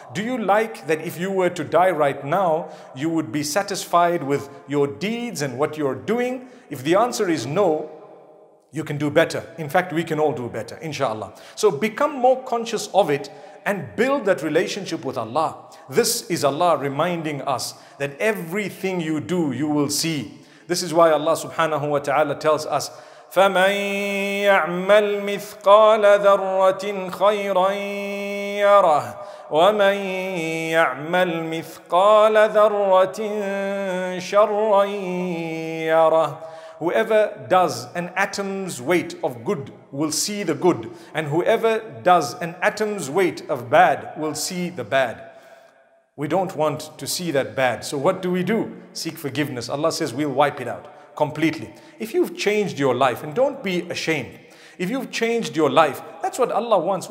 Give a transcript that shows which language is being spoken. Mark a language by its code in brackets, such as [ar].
[en] Do you like that if you were to die right now, you would be satisfied with your deeds and what you're doing? If the answer is no, you can do better. In fact, we can all do better, inshallah. So become more conscious of it and build that relationship with Allah. This is Allah reminding us that everything you do, you will see. This is why Allah subhanahu wa ta'ala tells us, [ar] فَمَن يَعْمَلْ مِثْقَالَ ذَرَّةٍ خَيْرًا يَرَهُ وَمَن يَعْمَلْ مِثْقَالَ ذَرَّةٍ شَرًّا يَرَهُ. [en] Whoever does an atom's weight of good will see the good, and whoever does an atom's weight of bad will see the bad. We don't want to see that bad. So what do? Seek forgiveness. Allah says we'll wipe it out completely. If you've changed your life, and don't be ashamed, if you've changed your life, that's what Allah wants.